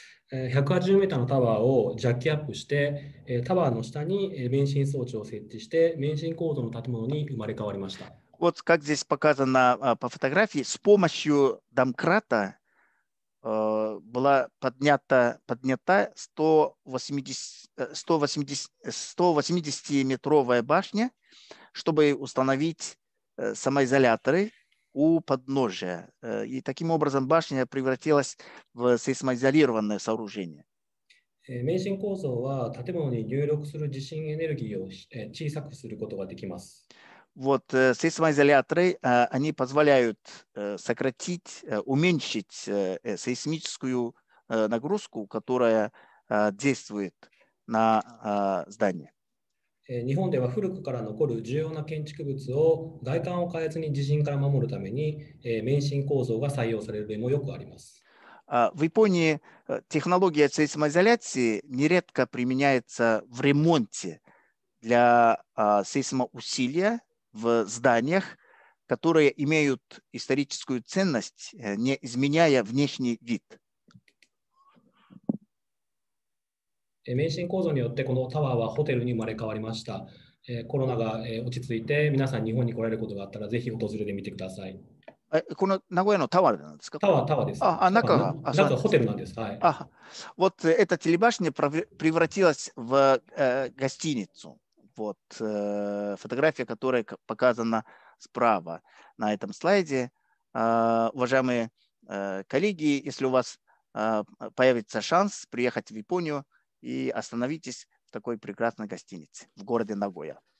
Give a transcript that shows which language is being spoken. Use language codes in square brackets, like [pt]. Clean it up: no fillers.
[ja] 180 メーターのタワーをジャッキアップして、タワーの下に免震装置を設置して、免震構造の建物に生まれ変わりました。 [ru] Вот как здесь показано по фотографии, с помощью домкрата была поднята 180-метровая башня, чтобы установить самоизоляторы у подножия. И таким образом башня превратилась в сейсмоизолированное сооружение. [ja] 免震構造は建物に入力する地震エネルギーを小さくすることができます。 [ru] Вот сейсмоизоляторы, они позволяют сократить, уменьшить сейсмическую нагрузку, которая действует на здание. [ja] 日本では古くから残る重要な建築物を外観を変えずに地震から守るために免震構造が採用される例もよくあります。 [ru] В Японии технология сейсмоизоляции нередко применяется в ремонте для сейсмоусилия в зданиях, которые имеют историческую ценность, не изменяя внешний вид. [ja] 免震構造によってこのタワーはホテルに生まれ変わりました。コロナが落ち着いて皆さん日本に来られることがあったらぜひ訪れてみてください。この名古屋のタワーなんですか？タワーです。中ホテルなんです。はい。 [ru] あ、вот эта телебашня превратилась в гостиницу. Вот фотография, которая показана справа на этом слайде. Уважаемые коллеги, если у вас появится шанс приехать в Японию и остановитесь в такой прекрасной гостинице в городе Нагоя.